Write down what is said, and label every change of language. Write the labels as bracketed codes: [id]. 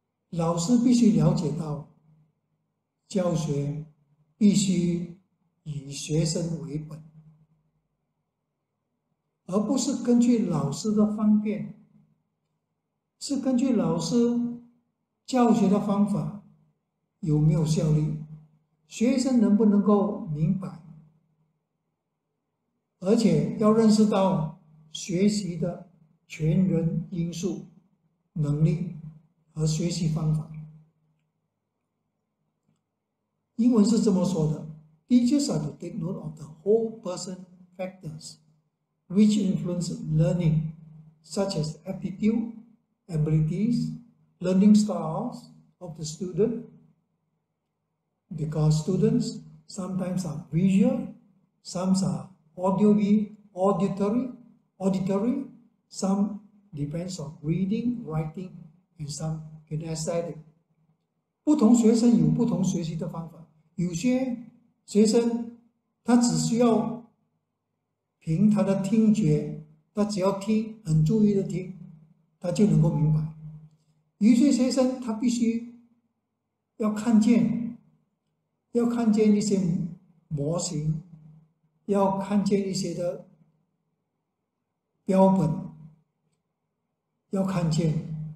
[zh] 老师必须了解到，教学必须以学生为本，而不是根据老师的方便，是根据老师教学的方法有没有效率，学生能不能够明白，而且要认识到学习的全人因素、能力和学习方法。英文是这么说的， [en] Teachers are to take note of the whole person factorswhich influence learning, such as aptitude, abilities, learning styles of the student, because students sometimes are visual, some are auditory, some depends on reading, writing, and some kinesthetic. [zh] 不同学生有不同学习的方法，有些学生他只需要凭他的听觉，他只要听，很注意的听，他就能够明白。有些学生他必须要看见一些模型，要看见一些的标本，要看见。